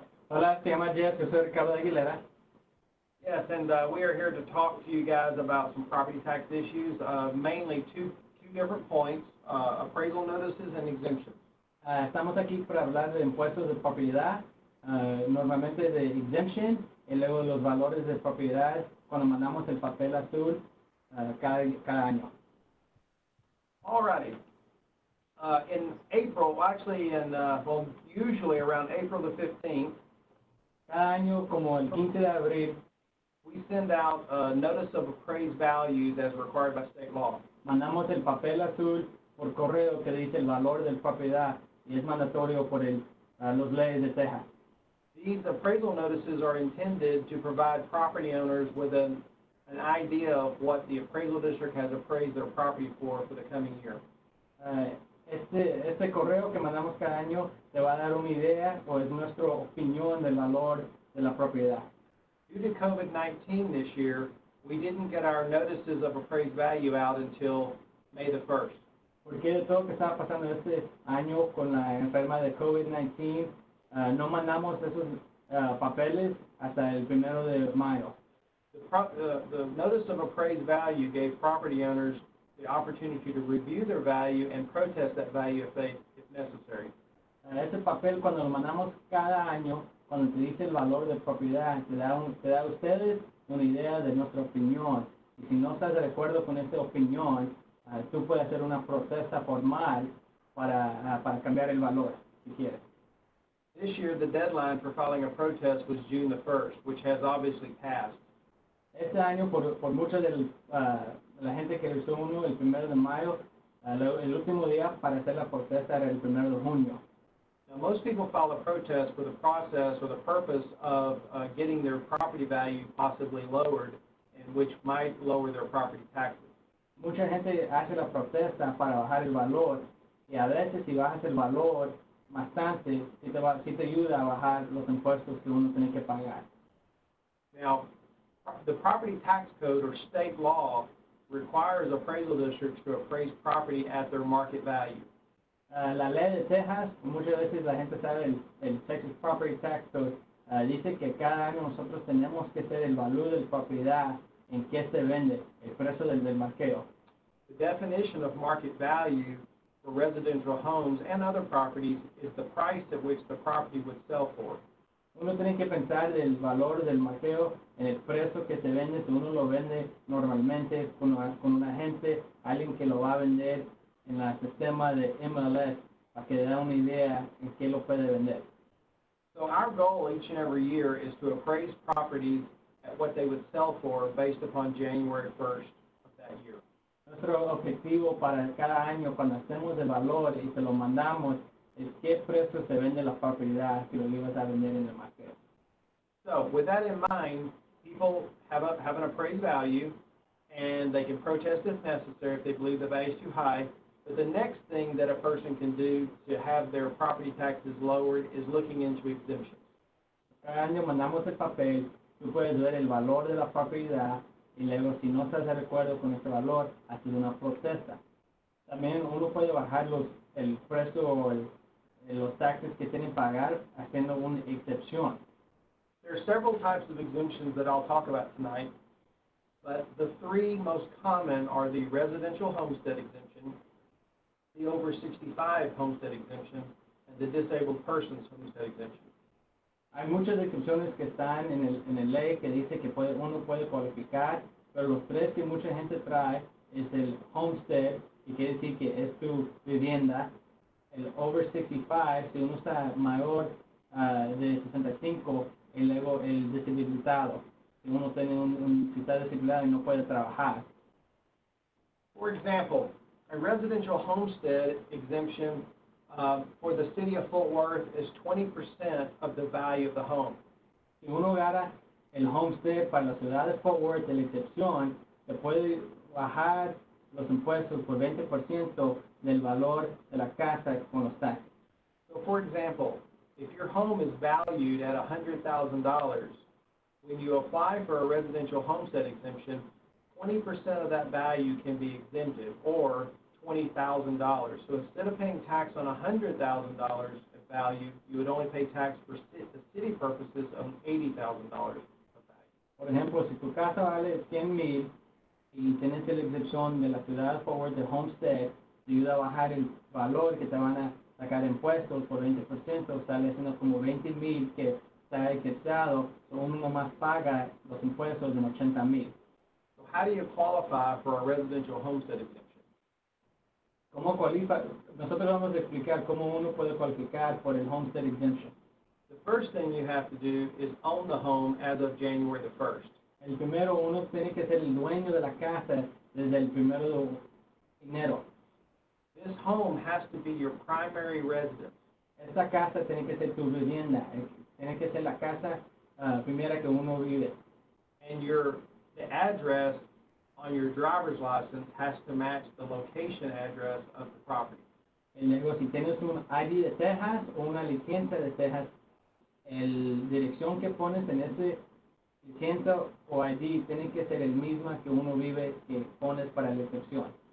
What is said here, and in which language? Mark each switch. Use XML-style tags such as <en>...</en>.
<es>Hola, se llama Jeff, yo soy Ricardo Aguilera.</es> <en>Yes, and we are here to talk to you guys about some property tax issues, mainly two different points. Appraisal notices and exemptions.</en> <es>Estamos aquí para hablar de impuestos de propiedad, normalmente de exemption, y luego los valores de propiedad cuando mandamos el papel azul cada año.</es> <en>Alrighty. In April, actually, in well, usually around April the 15th.</en> <es>Cada año como el 15 de abril,</es> <en>we send out a notice of appraised values as required by state law.</en> <es>Mandamos el papel azul por correo que dice el valor de la propiedad y es mandatorio por el los leyes de Texas.</es> <en>These appraisal notices are intended to provide property owners with an idea of what the appraisal district has appraised their property for the coming year.</en> <es>Este correo que mandamos cada año te va a dar una idea o es nuestra opinión del valor de la propiedad.</es> <en>Due to COVID-19 this year, we didn't get our notices of appraised value out until May the 1st.</en> <es>Porque de todo lo que estaba pasando este año con la enferma de COVID-19, no mandamos esos papeles hasta el primero de mayo.</es> <en>The notice of appraised value gave property owners the opportunity to review their value and protest that value if necessary.</en> <es>Ese papel cuando lo mandamos cada año, cuando te dice el valor de propiedad, te da a ustedes una idea de nuestra opinión. Y si no estás de acuerdo con esa opinión, tú puedes hacer una protesta formal para cambiar el valor, si quieres.</es> <en>This year, the deadline for filing a protest was June the 1st, which has obviously passed.</en> <es>Este año, por mucha de la gente que hizo uno el 1 de mayo, el último día para hacer la protesta era el 1 de junio.</es> <en>Now, most people file a protest for the process or the purpose of getting their property value possibly lowered, and which might lower their property taxes.</en> <es>Mucha gente hace la protesta para bajar el valor, y a veces si bajas el valor bastante, si te ayuda a bajar los impuestos que uno tiene que pagar.</es> <en>Now, the property tax code or state law requires appraisal districts to appraise property at their market value.</en> <es>La ley de Texas, muchas veces la gente sabe el</es> <en>Texas property tax code,</en> <es>Dice que cada año nosotros tenemos que ser el valor de propiedad en que se vende, el precio del, del marqueo.</es> <en>The definition of market value for residential homes and other properties is the price at which the property would sell for.</en> <es>Uno tiene que pensar el valor del marqueo en el precio que se vende si uno lo vende normalmente con un agente, alguien que lo va a vender en el sistema de MLS para que le da una idea en qué lo puede vender.</es> <en>So our goal each and every year is to appraise properties at what they would sell for based upon January 1st of that year.</en> <es>Nuestro objetivo para cada año cuando hacemos el valor y se lo mandamos es qué precio se vende la propiedad que lo ibas a vender en el mercado.</es> <en>So with that in mind, people have an appraised value and they can protest if necessary if they believe the value is too high. But the next thing that a person can do to have their property taxes lowered is looking into exemptions.</en> <es>Cada año mandamos el papel, tú puedes ver el valor de la propiedad y luego si no estás de acuerdo con ese valor, haces una protesta. También uno puede bajar los, el precio o el, los taxes que tienen que pagar haciendo una excepción.</es> <en>There are several types of exemptions that I'll talk about tonight, but the three most common are the residential homestead exemption, the over 65 homestead exemption, and the disabled persons homestead exemption.</en> <es>Hay muchas exenciones que están en el ley que dice que puede, uno puede cualificar, pero los tres que mucha gente trae es el homestead, que quiere decir que es tu vivienda, el over 65, si uno está mayor de 65, y luego el deshabilitado, si uno tiene un si está deshabilitado y no puede trabajar.</es> <en>For example, a residential homestead exemption for the city of Fort Worth is 20% of the value of the home.</en> <es>Si uno gana el homestead para la ciudad de Fort Worth de la excepción, se puede bajar los impuestos por 20% del valor de la casa con los taxes.</es> <en>So for example, if your home is valued at $100,000, when you apply for a residential homestead exemption, 20% of that value can be exempted, or $20,000. So instead of paying tax on $100,000 of value, you would only pay tax for city purposes on $80,000 of value.</en> <es>Por ejemplo, si tu casa vale $100,000 y tienes la excepción de la ciudad de Fort Worth de homestead, te ayuda a bajar el valor que te van a sacar impuestos por 20%, sale siendo como $20,000 que está exceptado, so uno más paga los impuestos en $80,000.</es> <en>How do you qualify for a residential homestead exemption?</en> <es>¿Cómo cualifica? Nosotros vamos a explicar cómo uno puede cualificar por el homestead exemption.</es> <en>The first thing you have to do is own the home as of January the 1st.</en> <es>El primero, uno tiene que ser el dueño de la casa desde el primero de enero.</es> <en>This home has to be your primary residence.</en> <es>Esta casa tiene que ser tu vivienda. Tiene que ser la casa primera que uno vive.</es> <en>And your The address on your driver's license has to match the location address of the property.</en> <es>Y luego, si tienes un ID de Texas o una licencia de Texas, el dirección que pones en ese licencia o ID tiene que ser el mismo que uno vive que pones para la excepción.</es>